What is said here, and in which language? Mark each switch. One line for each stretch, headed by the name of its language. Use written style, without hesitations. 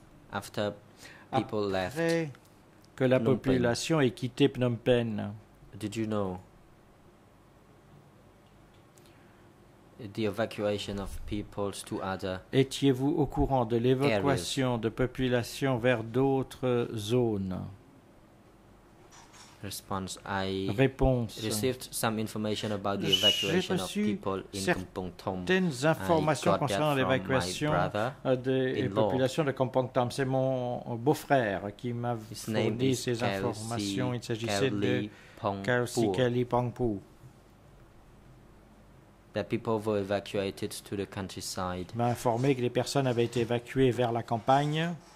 French: Après que la population ait quitté Phnom Penh,
English: did you know the evacuation of people to other
French: étiez-vous au courant de l'évacuation de population vers d'autres zones?
English: Response: I
French: réponse.
English: Received some information about the evacuation of people in Kampong Thom.
French: Certaines informations concernant l'évacuation des populations de Kampong Thom. C'est mon beau-frère qui m'a fourni ces informations. Il s'agissait de Kelly Pongpu.
English: That people were evacuated to the countryside.
French: M'a informé que les personnes avaient été évacuées vers la campagne.